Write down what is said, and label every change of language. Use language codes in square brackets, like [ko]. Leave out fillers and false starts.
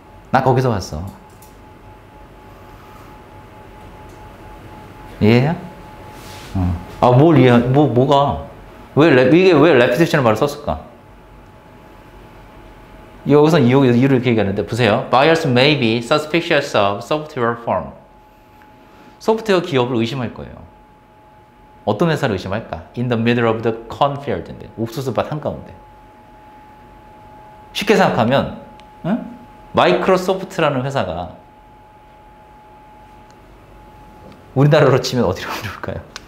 [ko] 나 거기서 왔어. 이해해요? 뭘 이해해? 뭐가? 왜 레피테이션을 말을 썼을까? 여기서 이유를 이렇게 얘기하는데 보세요. [en] Buyers may be suspicious of software firm. [ko] 소프트웨어 기업을 의심할 거예요. 어떤 회사를 의심할까? [en] In the middle of the cornfield [ko] 인데 옥수수밭 한가운데 쉽게 생각하면 응? 마이크로소프트라는 회사가 우리나라로 치면 어디로 가볼까요?